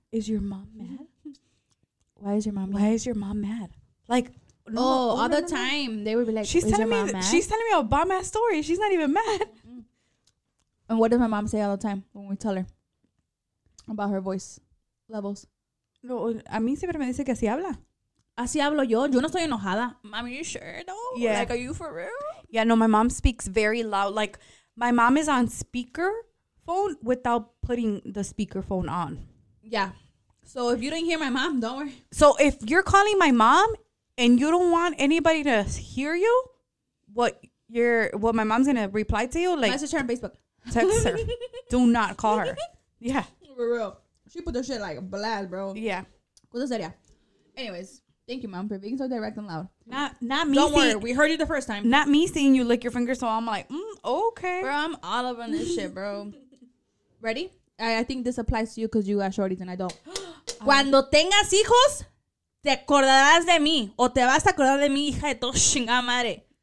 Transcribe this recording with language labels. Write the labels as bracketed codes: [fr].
[en] Is your mom mad? Why is your mom mad? Why is your mom mad? Like... No, oh, all the time. They would be like, she's telling me. Mom mad? She's telling me a bomb-ass story. She's not even mad. And what does my mom say all the time when we tell her about her voice levels? [es] No, a mí siempre me dice que así habla. Así hablo yo. Yo no estoy enojada. Mom, are you sure, though? Yeah. Like, are you for real? [en] Yeah, no, my mom speaks very loud. Like, my mom is on speakerphone without putting the speakerphone on. Yeah. So if you didn't hear my mom, don't worry. So if you're calling my mom and you don't want anybody to hear you, what my mom's going to reply to you, like... Message her on Facebook. Text her. Do not call her. Yeah. For real. She put the shit like a blast, bro. Yeah. [es] ¿Cuál sería? [en] Anyways, thank you, mom, for being so direct and loud. Not me. Don't worry. We heard you the first time. Not me seeing you lick your fingers, so I'm like, okay. Bro, I'm all up on this shit, bro. Ready? I think this applies to you because you got shorties and I don't. [es] Cuando tengas hijos, te acordarás de mí. O te vas a acordar de mi hija de todo chingada madre.